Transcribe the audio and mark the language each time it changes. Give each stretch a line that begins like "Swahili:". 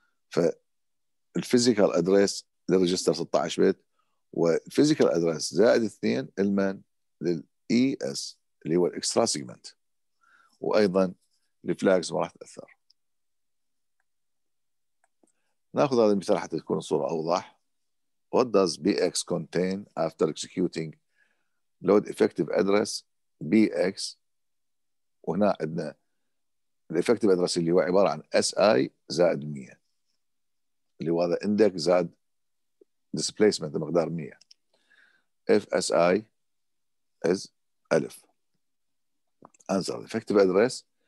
Arabic: فالفيزيكال ادريس للريجستر 16 بت والفيزيكال ادريس زائد 2 المن للاي اس اللي هو الاكسترا سيجمنت. وايضا الفلاجز ما راح تاثر. ناخذ هذا المثال حتى تكون الصوره اوضح.
English: What does bx contain after executing load effective address bx.
Arabic: وهنا عندنا الإفكتيف أدرس اللي هو عبارة عن SI زائد 100 اللي هو هذا إندك زائد displacement مقدار 100.
English: If SI is 1000 answer the effective address.